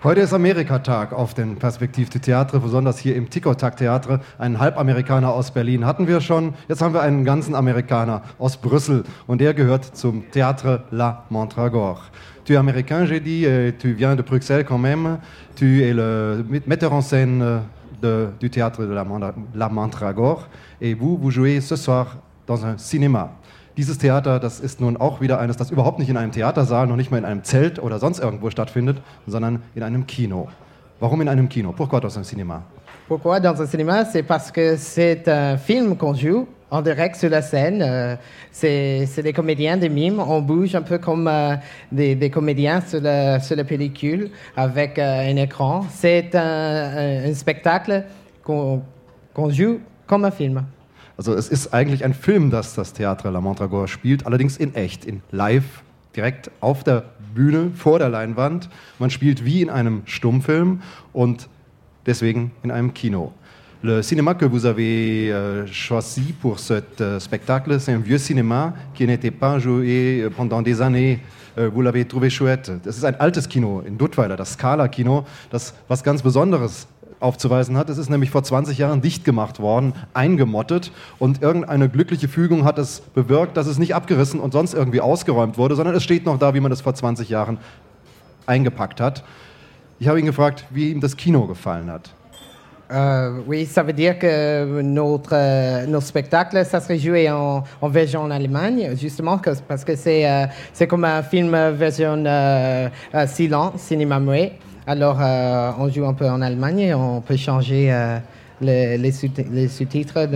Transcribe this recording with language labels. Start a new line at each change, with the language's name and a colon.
German: Heute ist Amerikatag auf den Perspektiv du Théâtre, besonders hier im Ticotag-Theatre. Einen Halbamerikaner aus Berlin hatten wir schon, jetzt haben wir einen ganzen Amerikaner aus Brüssel und der gehört zum Théâtre La Mandragore.
French: Tu es américain, j'ai dit, et tu viens de Bruxelles quand même, tu es le metteur en scène du Théâtre de La Mandragore et vous jouez ce soir dans un cinéma.
German: Dieses Theater, das ist nun auch wieder eines, das überhaupt nicht in einem Theatersaal, noch nicht mal in einem Zelt oder sonst irgendwo stattfindet, sondern in einem Kino. Warum in einem Kino?
French: Pourquoi dans un cinéma? Pourquoi dans un cinéma? C'est parce que c'est un film qu'on joue en direct sur la scène. C'est des comédiens, des mimes. On bouge un peu comme des comédiens sur la pellicule avec un écran. C'est un spectacle qu'on joue comme un film.
German: Also es ist eigentlich ein Film, dass das Théâtre La Mandragore spielt, allerdings in echt, in live, direkt auf der Bühne, vor der Leinwand. Man spielt wie in einem Stummfilm und deswegen in einem Kino.
French: Le cinéma que vous avez choisi pour cet spectacle, c'est un vieux cinéma qui n'était pas joué pendant des années. Vous l'avez trouvé chouette.
German: Das ist ein altes Kino in Duttweiler, das Scala-Kino, das was ganz Besonderes aufzuweisen hat. Es ist nämlich vor 20 Jahren dicht gemacht worden, eingemottet und irgendeine glückliche Fügung hat es bewirkt, dass es nicht abgerissen und sonst irgendwie ausgeräumt wurde, sondern es steht noch da, wie man es vor 20 Jahren eingepackt hat. Ich habe ihn gefragt, wie ihm das Kino gefallen hat.
French: Oui, ça veut dire que nos spectacles, ça serait joué en version en Allemagne, justement, parce que c'est comme un film version silent, cinéma muet. Alors, on joue un peu en Allemagne et on peut changer les sous-titres.